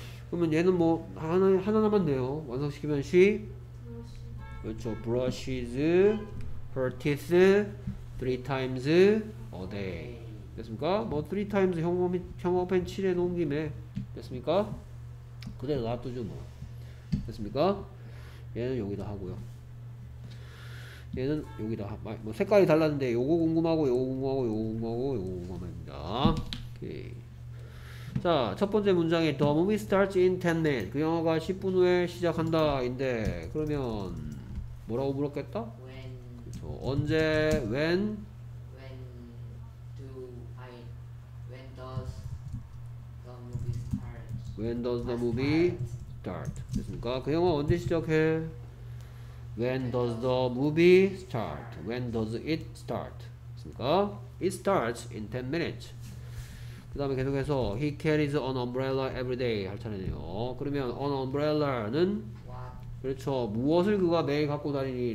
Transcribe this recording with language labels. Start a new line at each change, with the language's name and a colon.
Korean: 그러면 얘는 뭐 하나만 돼요 완성시키면 she 그렇죠
English: brushes her teeth three times a day
Korean: 됐습니까 뭐 three times 형광펜 칠해 놓은 김에 됐습니까 그대로 놔두죠 뭐 됐습니까? 얘는 여기다 하고요. 얘는 여기다. 뭐 색깔이 달랐는데 요거 궁금하고 요거 궁금하고 요거 궁금하고 요거 궁금합니다. 오케이. 자, 첫 번째 문장에
English: The movie starts in 10 minutes.
Korean: 그 영화가 10분 후에 시작한다인데 그러면 뭐라고 물었겠다?
English: When
Korean: 그렇죠. 언제 when
English: when do I when does the movie When does the movie start?
Korean: 됐습니까? 그 영화 언제 시작해?
English: When does the movie start? When does it start? 됐습니까? It starts in 10 minutes.
Korean: 그 다음에 계속해서
English: He carries an umbrella every day
Korean: 할 차례네요. 그러면 an umbrella는 그렇죠. 무엇을 그가 매일 갖고 다니니?